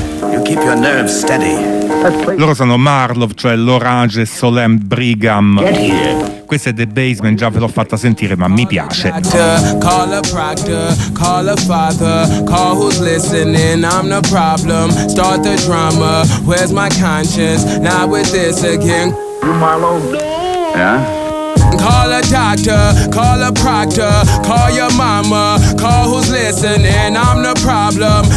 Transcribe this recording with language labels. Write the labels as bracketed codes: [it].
[en] You keep your nerves steady. [it] Loro sono Marlov, cioè L'Orange e Solemn Brigham. Questo è The Basement, già ve l'ho fatta sentire, ma mi piace. [en] Call a proctor, call a father, call who's listening, I'm the problem. Start the drama, where's my conscience? Not with this again. You Marlov? No. Call a doctor, call a proctor, call your mama, call who's listening, I'm the problem.